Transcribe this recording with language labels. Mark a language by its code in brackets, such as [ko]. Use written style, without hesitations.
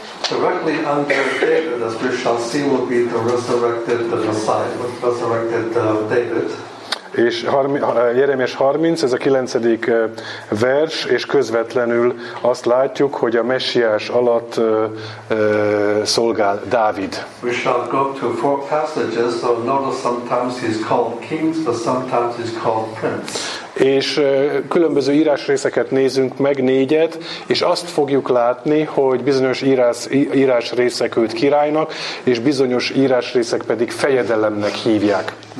[en] Directly under David, as we shall see, will be the resurrected Messiah, resurrected David. [hu] És Jeremiás 30, ez a 9. vers, és közvetlenül azt látjuk, hogy a Messiás alatt szolgál Dávid. [en] We shall go to four passages, so notice sometimes he's called king, but sometimes he's called prince. [hu] És különböző írásrészeket nézünk meg, négyet, és azt fogjuk látni, hogy bizonyos írásrészek őt királynak, és bizonyos írásrészek pedig fejedelemnek hívják.